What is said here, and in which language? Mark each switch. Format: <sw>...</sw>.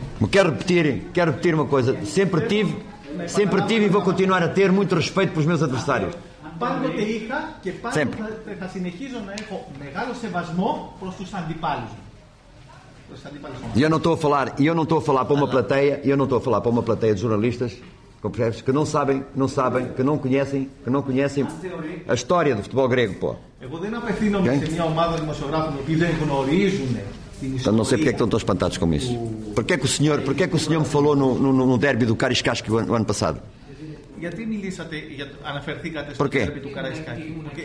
<pt>Quero repetir uma coisa. Sempre tive e vou continuar a ter muito respeito pelos meus adversários.</pt> <el>Πάντοτε είχα και πάντοτε θα συνεχίζω να έχω μεγάλο σεβασμό προς τους αντιπάλους.</el> <pt>Eu não estou a falar para uma plateia de jornalistas, compreendes, que não conhecem a história do futebol grego, pô.</pt> <el>Εγώ δεν απευθύνομαι σε μια ομάδα δημοσιογράφων που δεν γνωρίζουν.</el> <pt>Então não sei porque é que estão tão espantados com isso. Porque é que o senhor me falou no derby do Carisqueas que o ano passado?</pt> <el>Γιατί μιλήσατε, αναφερθήκατε στο τέρμι του Καραϊσκάκη?</el>